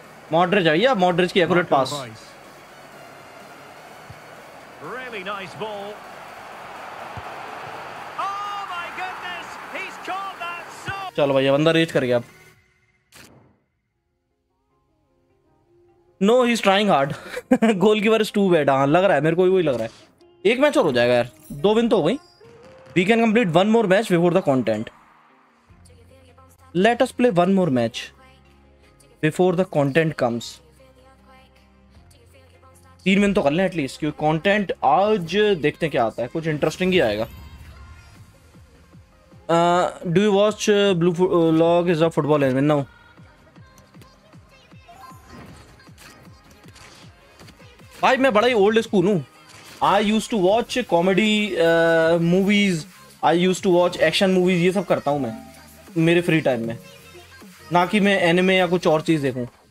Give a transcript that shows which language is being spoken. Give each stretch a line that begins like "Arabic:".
English: Modric, yeah, Modric's accurate pass. Really nice ball. Oh my goodness, he's caught that.
Hindi: चलो भैया बंदा reach कर गया अब.
English: No, he's trying hard. Goalkeeper is too bad.
Hindi: हाँ लग रहा है मेरे को भी वही लग रहा है. एक मैच और हो जाएगा यार. दो विन तो हो गई.
English: We can complete one more match before the content. Let us play one more match before the content comes.
Hindi: तीन विन तो कर लें एटलीस्ट, क्योंकि कॉन्टेंट आज देखते हैं क्या आता है. कुछ इंटरेस्टिंग ही आएगा.
English: Do you watch Blue Log is a football admin? No.
Hindi: भाई मैं बड़ा ही ओल्ड स्कूल हूँ.
English: I use to watch comedy movies, I use to watch action movies,
Hindi: ये सब करता हूँ मैं मेरे फ्री टाइम में, ना कि मैं एनिमे या कुछ और चीज़ देखूँ.